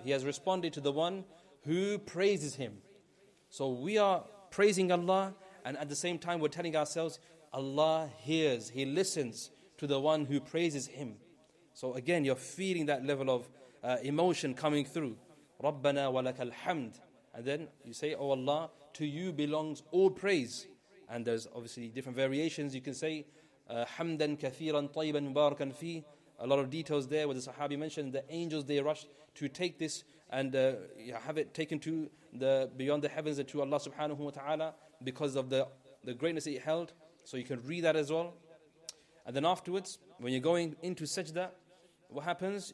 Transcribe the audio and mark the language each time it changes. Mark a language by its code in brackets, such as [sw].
[en] He has responded to the one who praises Him. So we are praising Allah, and at the same time we're telling ourselves, Allah hears, He listens to the one who praises Him. So again, you're feeling that level of emotion coming through. [ar] رَبَّنَا وَلَكَ الْحَمْدُ. [en] And then you say, oh Allah, to you belongs all praise. And there's obviously different variations. You can say, [ar] حَمْدًا كَثِيرًا طَيْبًا مُبَارَكًا فِي. [en] A lot of details there where the Sahabi mentioned the angels, they rush to take this and have it taken to the beyond the heavens and to Allah subhanahu wa ta'ala because of the greatness it held. So you can read that as well. And then afterwards, when you're going into sajda, what happens?